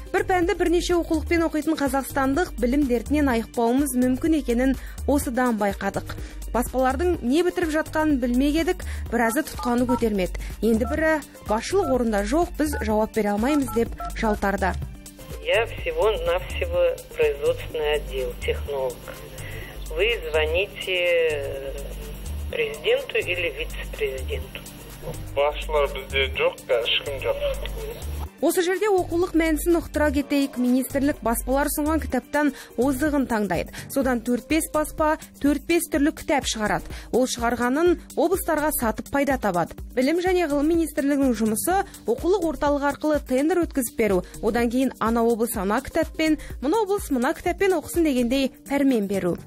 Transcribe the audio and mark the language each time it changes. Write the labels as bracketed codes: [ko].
[kk] Бір пәнді бірнеше оқулықпен оқитын қазақстандық білім дертінен айықпауымыз мүмкін екенін осыдан байқадық. Баспалардың не бітіріп жатқанын білмек едік, біразы тұтқаны көтермеді. Енді бірі басшылық орында жоқ, біз жауап бере алмаймыз деп жалтарды. [ru] Я всего-навсего производственный отдел, технолог. Вы звоните президенту или вице-президенту? [kk] Башлар бізде жоқ, ешкім жоқ. Осы жерде оқулық мәнісін ұқтыра кетейік, министрлік баспалар ұсынған кітаптан озығын таңдайды. Содан 4-5 баспа, 4-5 түрлі кітап шығарады. Ол шығарғанын облыстарға сатып пайда табады. Білім және ғылым министрлігінің жұмысы оқулық орталығы арқылы тендер өткізіп беру, одан кейін ана облыс ана кітаппен, мына облыс мына кітаппен оқысын дегендей пәрмен беру.